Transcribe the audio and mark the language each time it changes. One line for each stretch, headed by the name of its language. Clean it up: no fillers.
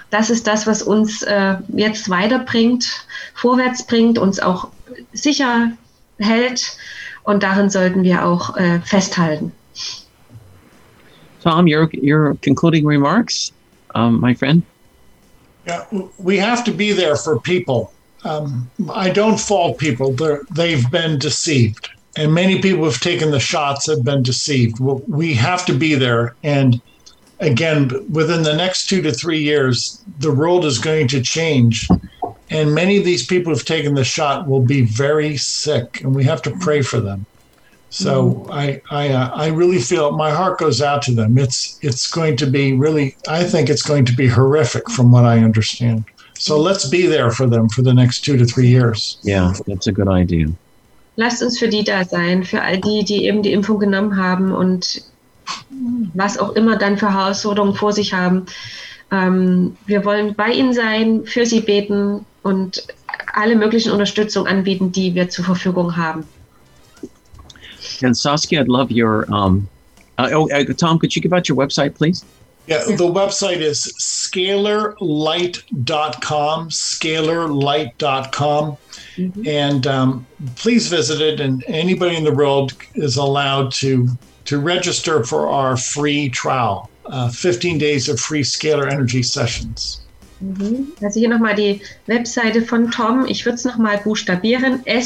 German: Das ist das, was uns jetzt weiterbringt, vorwärts bringt, uns auch sicher hält. Und darin sollten wir auch festhalten.
English: Tom, your concluding remarks, my friend? Yeah, we have to be there for people. I don't fault people. They've been deceived. And many people who have taken the shots have been deceived. We have to be there. And again, within the next 2 to 3 years, the world is going to change And many of these people who've taken the shot will be very sick, and we have to pray for them. So I really feel my heart goes out to them. It's going to be really, I think it's going to be horrific from what I understand. So let's be there for them for the next 2 to 3 years. Yeah, that's a good idea.
German: Lasst uns für die da sein, für all die, die eben die Impfung genommen haben und was auch immer dann für Herausforderungen vor sich haben. Wir wollen bei ihnen sein, für sie beten und alle möglichen Unterstützung anbieten, die wir zur Verfügung haben.
English: And Saskia, I'd love your, Tom, could you give out your website, please? Yeah, the website is scalarlight.com, scalarlight.com. Mm-hmm. And please visit it, and anybody in the world is allowed to register for our free trial, 15 days of free Scalar Energy sessions. Mm-hmm.
German: Also hier nochmal die Webseite von Tom. Ich würde es nochmal buchstabieren.